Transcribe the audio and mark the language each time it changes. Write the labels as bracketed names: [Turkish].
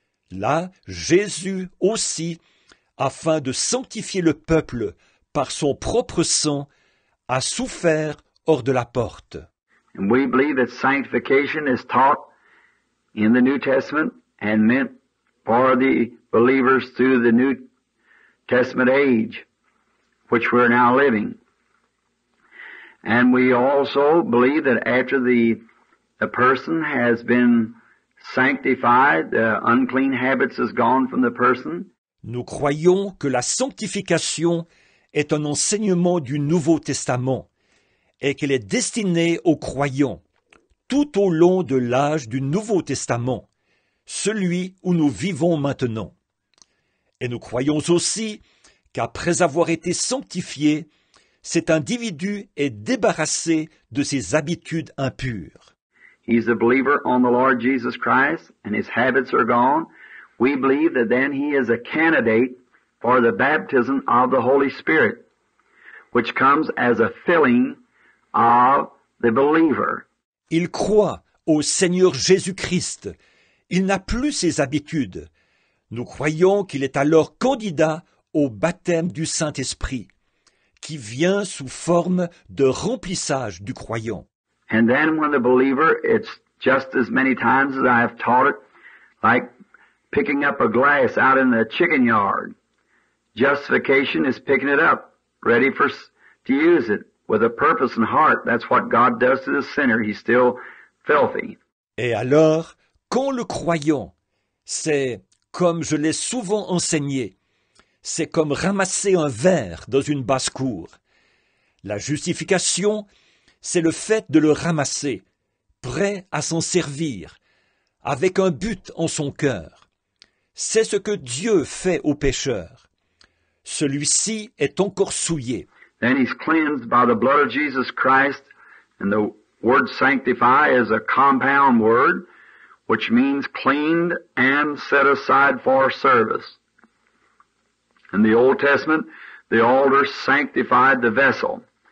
[French] Là, Jésus aussi, afin de sanctifier le peuple par son propre sang, a souffert hors de la porte. [English] And we believe that sanctification is taught in the New Testament and meant for the believers through the New Testament age, which we're now living. And we also believe that after the person has been sanctified, the unclean habits is gone from the person. [French] Nous croyons que la sanctification est un enseignement du Nouveau Testament et qu'elle est destinée aux croyants tout au long de l'âge du Nouveau Testament, celui où nous vivons maintenant. Et nous croyons aussi qu'après avoir été sanctifié, cet individu est débarrassé de ses habitudes impures. [English] He's a believer on the Lord Jesus Christ, and his habits are gone. We believe that then he is a candidate for the baptism of the Holy Spirit, which comes as a filling of the believer. [French] Il croit au Seigneur Jésus-Christ. Il n'a plus ses habitudes. Nous croyons qu'il est alors candidat au baptême du Saint-Esprit, qui vient sous forme de remplissage du croyant. [English] And then when the believer, it's just as many times as I have taught it, like picking up a glass out in the chicken yard. Justification is picking it up, ready for to use it, with a purpose and heart. That's what God does to the sinner. He's still filthy. [French] Et alors, quand le croyant, c'est comme je l'ai souvent enseigné, c'est comme ramasser un verre dans une basse-cour. La justification, c'est le fait de le ramasser, prêt à s'en servir, avec un but en son cœur. C'est ce que Dieu fait au pécheur. Celui-ci est encore souillé. [English] Then he's cleansed by the blood of Jesus Christ, and the word sanctify is a compound word, which means cleaned and set aside for service. In the Old Testament, the altar sanctified the vessel.